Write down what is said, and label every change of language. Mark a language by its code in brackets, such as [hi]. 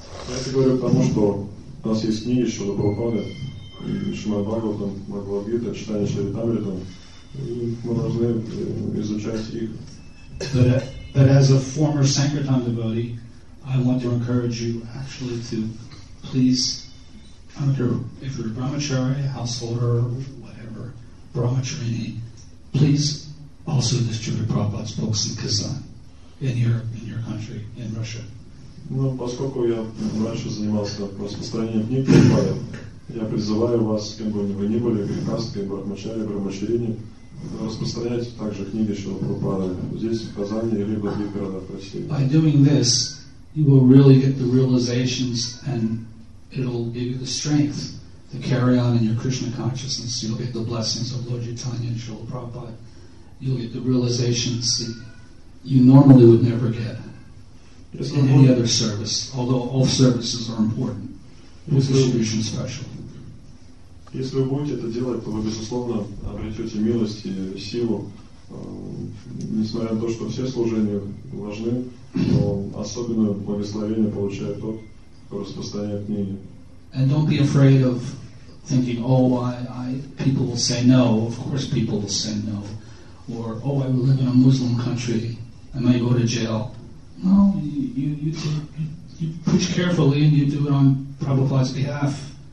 [ru] Я это говорю потому, что у нас есть книги Шриле Прабхупады, Шримад Бхагаватам, Бхагавад Гита, Чайтанья Чаритамрита, и мы должны изучать их. [en] But as a former Sankirtan devotee, I want to encourage you actually to please, I don't care if you're a brahmachari, householder, whatever, brahmacharini, please also distribute Prabhupada's books in Kazan, in your country, in Russia. [ru] Ну, поскольку я раньше занимался распространением книг Прабхупады, я призываю вас, кем бы вы ни были, брахмачари, брахмачарини, распространять также книги Шрилы Прабхупады здесь, в Казани, либо в других городах России. [en] By doing this, you will really get the realizations and it'll give you the strength to carry on in your Krishna consciousness. You'll get the blessings of Lord Chaitanya and Srila Prabhupada. You'll get the realizations that you normally would never get in any other service, although all services are important. The distribution special. [ru] Если вы будете это делать, то вы, безусловно, обретете милость и силу. Несмотря на то, что все служения важны, но особенное благословение получает тот, кто распространяет книги. [en] And don't be afraid of thinking, oh, I people will say no, of course people will say no. Or, oh, I live in a Muslim country, I might go to jail. No, you preach carefully and you do it on Prabhupada's behalf.